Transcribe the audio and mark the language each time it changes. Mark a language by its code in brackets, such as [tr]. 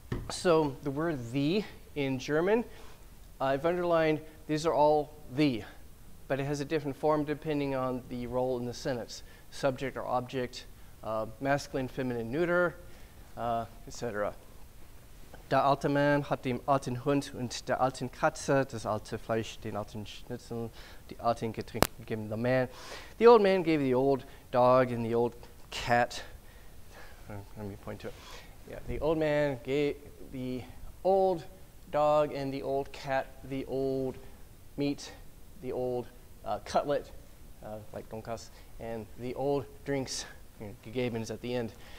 [en] So the word the in German, I've underlined these are all the, but it has a different form depending on the role in the sentence, subject or object, masculine, feminine, neuter, etc. [de] Der alte Mann hat den alten Hund und der alten Katze, das alte Fleisch, den alten Schnitzel, die alten Getränke gegeben. [en] The man. The old man gave the old dog and the old cat. Let me point to it. Yeah, the old man gave the old dog and the old cat the old meat, the old cutlet, like donkas, and the old drinks. Gegeben is at the end.